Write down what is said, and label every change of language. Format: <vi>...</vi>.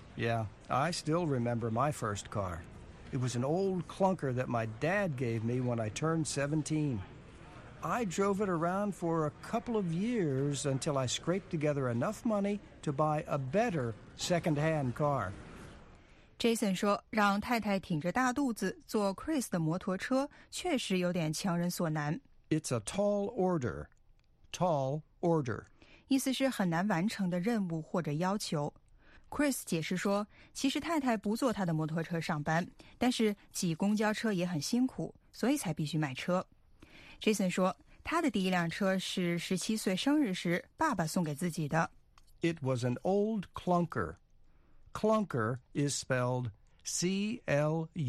<en>Yeah, I still remember my first car. It was an old clunker that my dad gave me when I turned 17. I drove it around for a couple of years until I scraped together enough money to buy a better second-hand car.</en> <zh>Jason 说，让太太挺着大肚子坐 Chris 的摩托车确实有点强人所难。</zh> <en>It's a tall order. Tall order.</en> <zh>意思是很难完成的任务或者要求。Chris 解释说，其实太太不坐他的摩托车上班，但是挤公交车也很辛苦，所以才必须买车。 Jason 说，他的第一辆车是17岁生日时爸爸送给自己的。</zh> <en>It was an old clunker. Clunker is spelled C-L-U-N-K-E-R.</en>